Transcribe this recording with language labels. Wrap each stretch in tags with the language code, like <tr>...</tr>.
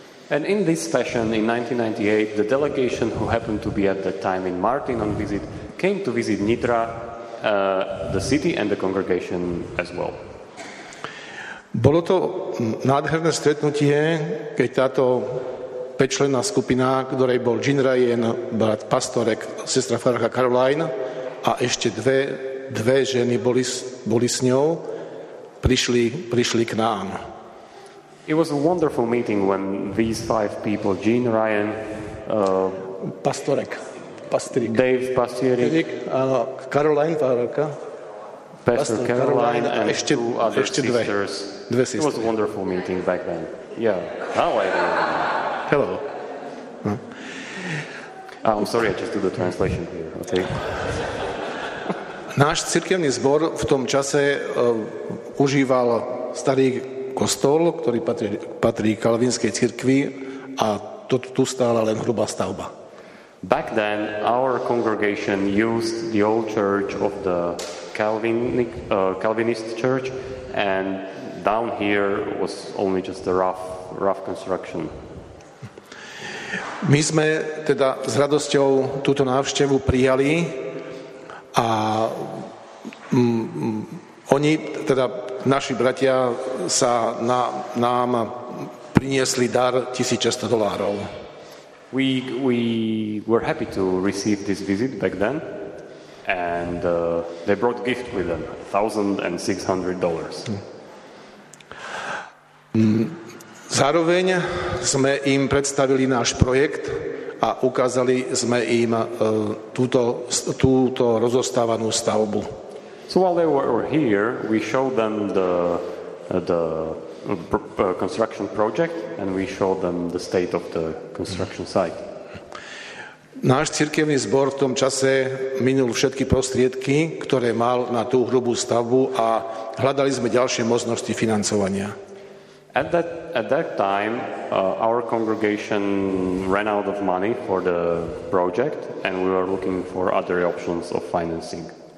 <en>And in this fashion, in 1998, the delegation who happened to be at that time in Martin on visit came to visit Nitra, the city and the congregation as well.</en> <sk>Bolo to nádherné stretnutie, keď táto pečlená skupina, ktorej bol Jean Ryan, brat Pastorek, sestra Farka Caroline a ešte dve ženy boli s ňou, prišli k nám.</sk> <en>It was a wonderful meeting when these five people, Jean Ryan, Pastorek, Pastorek, Dave Pastierik, Caroline Farka, Pastor Caroline and ešte, two other ešte sisters.</en> <sk>Dve sestry.</sk> <en>It was a wonderful meeting back then. Yeah. How are you? Hello. Oh, I'm sorry, I just do the translation here, okay?</en> <sk>Náš cirkevný zbor v tom čase užíval starý kostol, ktorý patrí kalvinskej cirkvi a tu stála len hrubá stavba.</sk> <en>Back then, our congregation used the old church of the Calvinist church and down here was only just a rough construction.</en> <sk>My sme teda s radosťou túto návštevu prijali a oni, teda naši bratia, sa nám priniesli dar $1,600.</sk> <en>We were happy to receive this visit back then and they brought gift with them, $1,600.</en> <sk>Zároveň sme im predstavili náš projekt a ukázali sme im túto rozostávanú stavbu.</sk> <en>So while they were here, we showed them the construction project and we showed them the state of the construction site.</en> <sk>Náš cirkevný zbor v tom čase minul všetky prostriedky, ktoré mal na tú hrubú stavbu a hľadali sme ďalšie možnosti financovania.</sk> <en>At that time, our congregation ran out of money for the project and we were looking for other options of financing.</en>